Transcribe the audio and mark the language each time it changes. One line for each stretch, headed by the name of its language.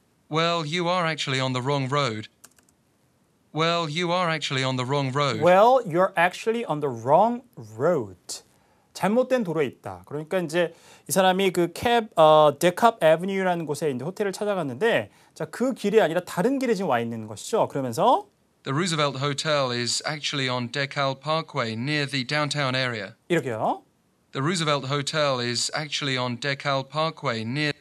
English: Well, you are actually on the wrong road. Well, you are actually on the wrong road. Well, you're actually on the wrong road.
Korean: 잘못된 도로에 있다. 그러니까 이제 이 사람이 그 캡 데캅 에비뉴라는 곳에 이제 호텔을 찾아갔는데 자, 그 길이 아니라 다른 길에 지금 와 있는 것이죠. 그러면서
English: The Roosevelt Hotel is actually on DeKalb Parkway near the downtown area.
Korean: 이렇게요.
English: The Roosevelt Hotel is actually on DeKalb Parkway near